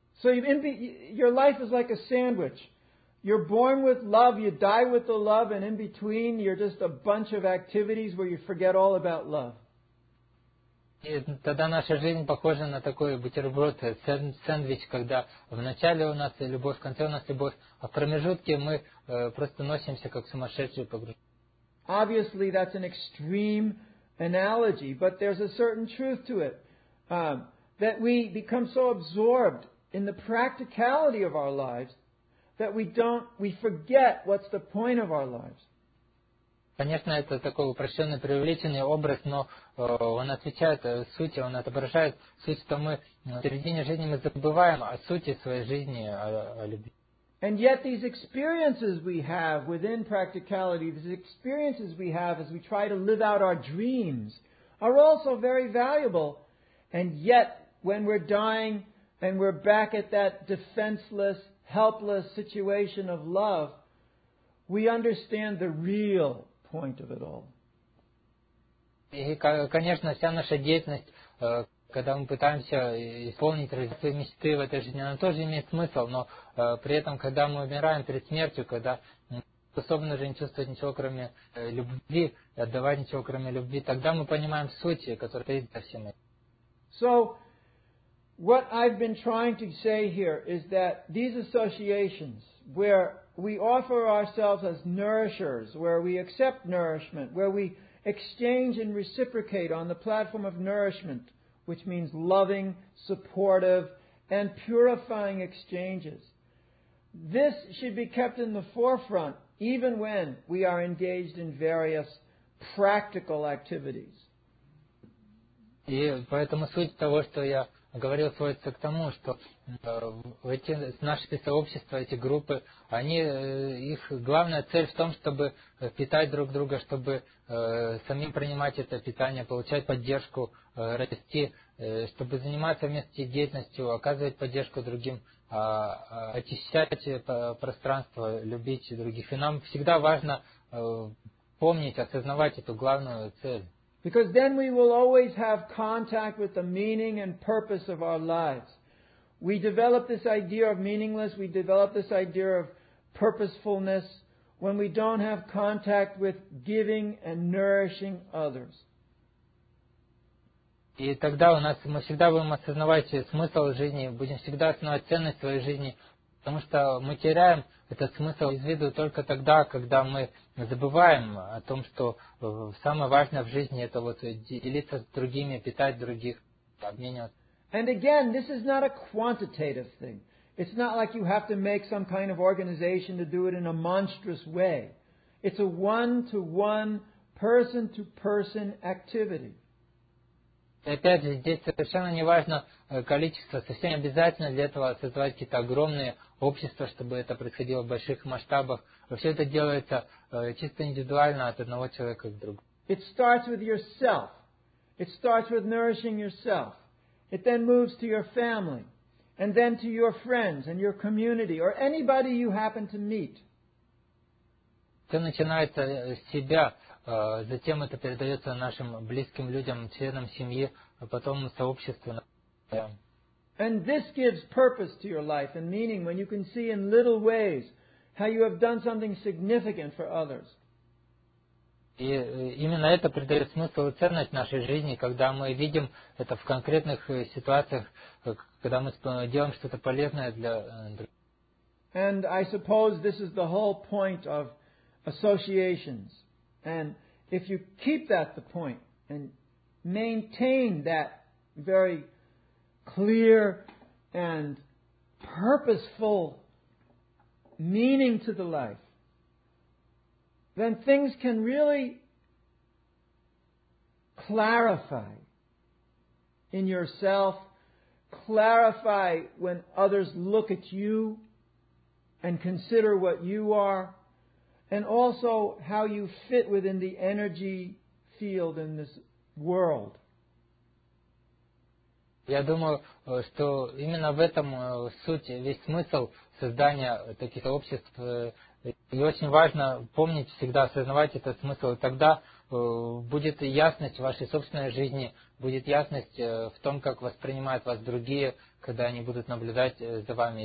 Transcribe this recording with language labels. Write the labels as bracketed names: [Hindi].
[English] So your life is like a sandwich. You're born with love, you die with the love, and in between you're just a bunch of activities where you forget all about love. [Russian] И тогда наша жизнь похожа на такой бутерброд, сэндвич, когда в начале у нас любовь, в конце у нас любовь, а в промежутке мы просто носимся как сумасшедшие погружения. [English] Obviously, that's an extreme analogy, but there's a certain truth to it, that we become so absorbed in the practicality of our lives that we forget what's the point of our lives. [Russian] Конечно, это такой упрощенный, преувеличенный образ, но он отвечает сути, он отображает суть, что мы в середине жизни мы забываем о сути своей жизни, о любви. [English] And yet these experiences we have within practicality, these experiences we have as we try to live out our dreams are also very valuable. And yet, when we're dying and we're back at that defenseless, helpless situation of love, we understand the real point of it all. [Russian] И, конечно, вся наша деятельность, когда мы пытаемся исполнить различные мечты в этой жизни, она тоже имеет смысл, но при этом, когда мы умираем перед смертью, когда мы не способны уже не чувствовать ничего, кроме любви, отдавать ничего, кроме любви, тогда мы понимаем суть, которая стоит за всем этим. [English] So, what I've been trying to say here is that these associations where we offer ourselves as nourishers, where we accept nourishment, where we exchange and reciprocate on the platform of nourishment, which means loving, supportive, and purifying exchanges. This should be kept in the forefront even when we are engaged in various practical activities. [Russian] И поэтому суть того, что я говорил, сводится к тому, что эти наши сообщества, эти группы, они, их главная цель в том, чтобы питать друг друга, чтобы самим принимать это питание, получать поддержку, расти, чтобы заниматься вместе деятельностью, оказывать поддержку другим, очищать пространство, любить других. И нам всегда важно помнить, осознавать эту главную цель. [English] Because then we will always have contact with the meaning and purpose of our lives. We develop this idea of meaningless, we develop this idea of purposefulness when we don't have contact with giving and nourishing others. [Russian] И тогда у нас, мы всегда будем осознавать смысл жизни, будем всегда осознавать ценность своей жизни, потому что мы теряем этот смысл из виду только тогда, когда мы забываем о том, что самое важное в жизни – это вот делиться с другими, питать других, обмениваться. [English] And again, this is not a quantitative thing. It's not like you have to make some kind of organization to do it in a monstrous way. It's a one-to-one, person-to-person activity. [Russian] Опять же, здесь совершенно не важно количество, совсем не обязательно для этого создавать какие-то огромные общества, чтобы это происходило в больших масштабах. Все это делается чисто индивидуально от одного человека к другому. [English] It starts with yourself. It starts with nourishing yourself. It then moves to your family, and then to your friends and your community, or anybody you happen to meet. [Russian] Все начинается с себя. Затем это передается нашим близким людям, членам семьи, а потом сообществу. [English] And this gives purpose to your life and meaning when you can see in little ways how you have done something significant for others. [Russian] И именно это придает смысл и ценность нашей жизни, когда мы видим это в конкретных ситуациях, когда мы делаем что-то полезное для других. [English] And I suppose this is the whole point of associations. And if you keep that the point and maintain that very clear and purposeful meaning to the life, then things can really clarify in yourself, clarify when others look at you and consider what you are, and also how you fit within the energy field in this world. [Russian] Я думаю, что именно в этом суть, весь смысл создания таких обществ. И очень важно помнить всегда, осознавать этот смысл. И тогда будет ясность в вашей собственной жизни, будет ясность в том, как воспринимают вас другие, когда они будут наблюдать за вами.